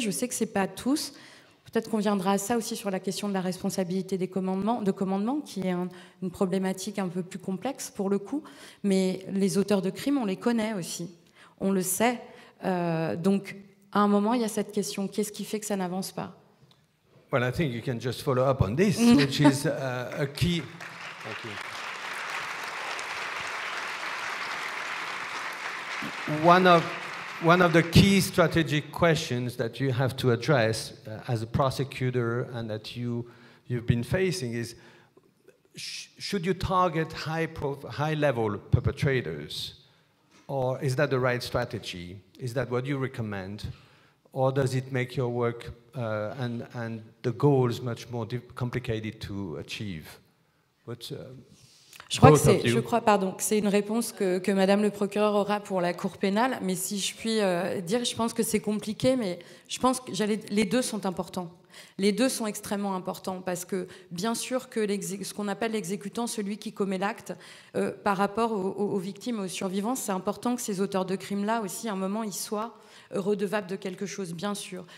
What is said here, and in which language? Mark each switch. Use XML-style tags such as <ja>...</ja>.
<fr>Je sais que ce n'est pas tous. Peut-être qu'on viendra à ça aussi sur la question de la responsabilité de commandement, qui est une problématique un peu plus complexe, pour le coup. Mais les auteurs de crimes, on les connaît aussi. On le sait. Donc, à un moment, il y a cette question. Qu'est-ce qui fait que ça n'avance pas?</fr> <en>Well, I think you can just follow up on this, which is a key. Thank you. One of the key strategic questions that you have to address as a prosecutor and that you've been facing is, should you target high-level perpetrators, or is that the right strategy? Is that what you recommend? Or does it make your work and the goals much more complicated to achieve?</en> <fr>Je crois que c'est une réponse que Madame le procureur aura pour la Cour pénale, mais si je puis dire, je pense que c'est compliqué, mais je pense que les deux sont importants. Les deux sont extrêmement importants parce que bien sûr que ce qu'on appelle l'exécutant, celui qui commet l'acte, par rapport aux victimes, aux survivants, c'est important que ces auteurs de crimes-là aussi, à un moment, ils soient redevables de quelque chose, bien sûr.</fr>